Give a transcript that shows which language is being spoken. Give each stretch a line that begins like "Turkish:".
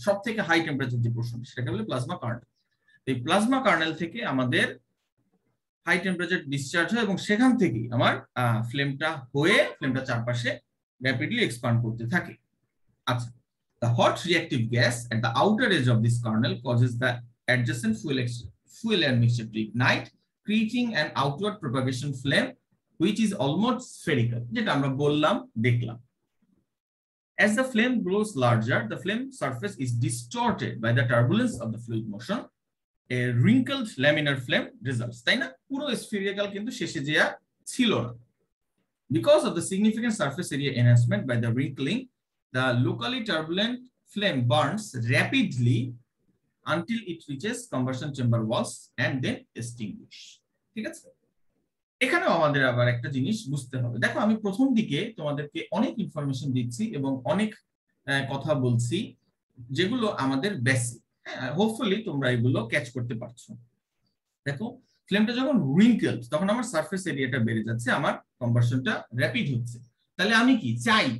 Bangla: সব থেকে high temperature যে পোর্শন সেটাকে বলি প্লাজমা কার্নেল। এই প্লাজমা কার্নেল থেকে আমাদের হাই টেম্পারেচার ডিসচার্জ হয় এবং সেখান থেকে আমার ফ্লেমটা হয়ে ফ্লেমটা চারপাশে র্যাপিডলি এক্সপ্যান্ড করতে থাকে।
English: আচ্ছা, the hot reactive gas at the outer edge of this kernel causes the adjacent fuel fuel air mixture to ignite creating an outward propagation flame which is almost spherical,
Bangla: যেটা আমরা বললাম দেখলাম।
English: As the flame grows larger, the flame surface is distorted by the turbulence of the fluid motion. A wrinkled laminar flame results.
Bangla: তাই না? পুরো spherical কিন্তু শেষে যে ছিল না।
English: Because of the significant surface area enhancement by the wrinkling, the locally turbulent flame burns rapidly until it reaches combustion chamber walls and then extinguish.
Bangla: ঠিক আছে? এখানে আমাদের আবার একটা জিনিস বুঝতে হবে। দেখো, আমি প্রথম দিকে তোমাদেরকে অনেক ইনফরমেশন দিচ্ছি এবং অনেক কথা বলছি যেগুলো আমাদের বেসিক, হোপফুলি তোমরা এগুলো ক্যাচ করতে পারছো। দেখো, ফ্লেমটা যখন রিঙ্কেলস তখন আমার সারফেস এরিয়াটা বেড়ে যাচ্ছে, আমার কম্বাশনটা র্যাপিড হচ্ছে। তাহলে আমি কি চাই?